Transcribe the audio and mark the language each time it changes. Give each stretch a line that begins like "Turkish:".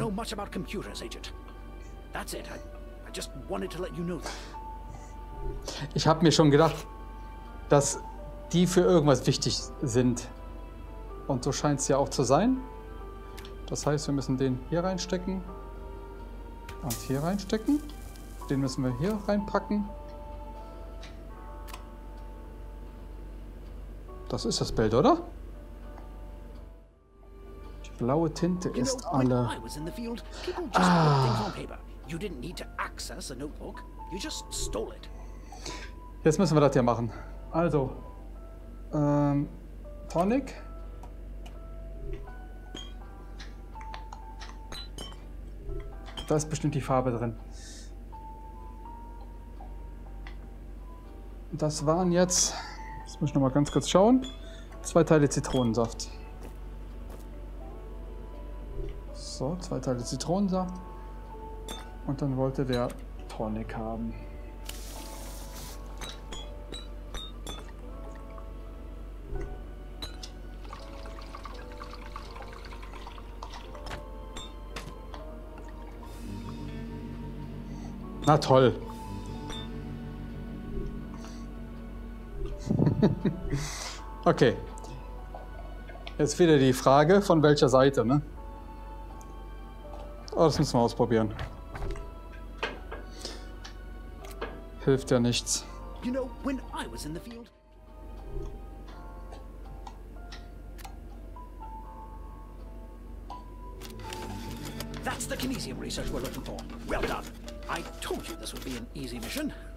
English: I don't know much about computers, Agent. That's it. I just wanted to let you know that.
German: Ich habe mir schon gedacht, dass die für irgendwas wichtig sind. Und so scheint es ja auch zu sein. Das heißt, wir müssen den hier reinstecken. Und hier reinstecken. Den müssen wir hier reinpacken. Das ist das Bild, oder? Blaue Tinte ist alle.
English: I was in the field. People just put things on paper. You didn't need to access a notebook. You just stole it.
German: Jetzt müssen wir das ja machen. Also, Tonic. Da ist bestimmt die Farbe drin. Das waren jetzt. Jetzt muss ich noch mal ganz kurz schauen. Zwei Teile Zitronensaft. So, zwei Teile Zitronensaft. Und dann wollte der Tonic haben. Na toll. Okay. Jetzt wieder die Frage, von welcher Seite, ne? Oh, das müssen wir ausprobieren. Hilft ja nichts.
English: You know, when I was in the field. That's the kinesium research we're looking for. Well done. I told you this would be an easy mission.